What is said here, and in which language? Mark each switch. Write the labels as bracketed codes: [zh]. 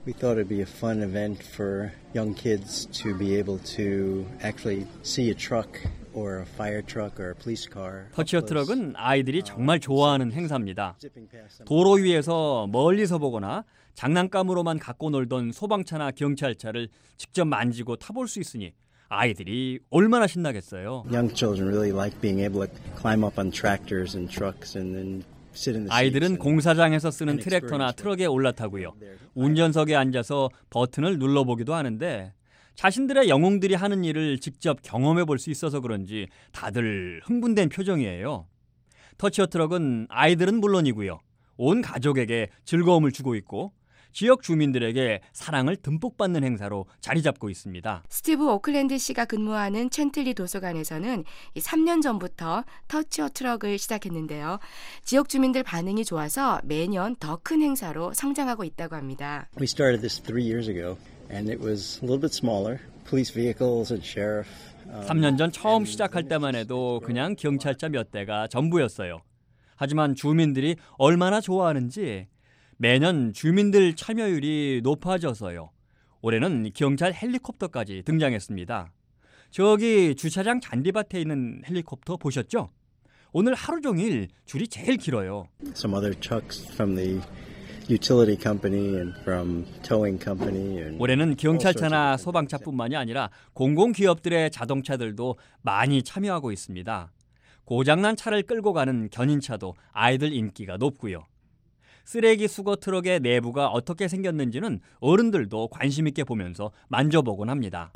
[en] We thought it'd be a fun event for young kids to be able to actually see a truck or a fire truck or a police car. [ko] 터치어 트럭은 아이들이 정말 좋아하는 행사입니다. 도로 위에서 멀리서 보거나 장난감으로만 갖고 놀던 소방차나 경찰차를 직접 만지고 타볼 수 있으니 아이들이 얼마나 신나겠어요. [en] Young children really like being able to climb up on tractors and trucks and then sit in the seats. [ko] 아이들은 공사장에서 쓰는 트랙터나 트럭에 올라타고요. 운전석에 앉아서 버튼을 눌러보기도 하는데 자신들의 영웅들이 하는 일을 직접 경험해 볼 수 있어서 그런지 다들 흥분된 표정이에요. 터치어 트럭은 아이들은 물론이고요. 온 가족에게 즐거움을 주고 있고 지역 주민들에게 사랑을 듬뿍 받는 행사로 자리 잡고 있습니다. 스티브 오클랜드 씨가 근무하는 첸틀리 도서관에서는 3년 전부터 터치어 트럭을 시작했는데요. 지역 주민들 반응이 좋아서 매년 더 큰 행사로 성장하고 있다고 합니다. [en] We started this 3 years ago and it was a little bit smaller. Police vehicles and sheriff. [ko] 3년 전 처음 시작할 때만 해도 그냥 경찰차 몇 대가 전부였어요. 하지만 주민들이 얼마나 좋아하는지 매년 주민들 참여율이 높아져서요. 올해는 경찰 헬리콥터까지 등장했습니다. 저기 주차장 잔디밭에 있는 헬리콥터 보셨죠? 오늘 하루 종일 줄이 제일 길어요. [en] Some other trucks from the utility company and from towing company. [ko] 올해는 경찰차나 소방차뿐만이 아니라 공공기업들의 자동차들도 많이 참여하고 있습니다. 고장난 차를 끌고 가는 견인차도 아이들 인기가 높고요. 쓰레기 수거 트럭의 내부가 어떻게 생겼는지는 어른들도 관심 있게 보면서 만져보곤 합니다.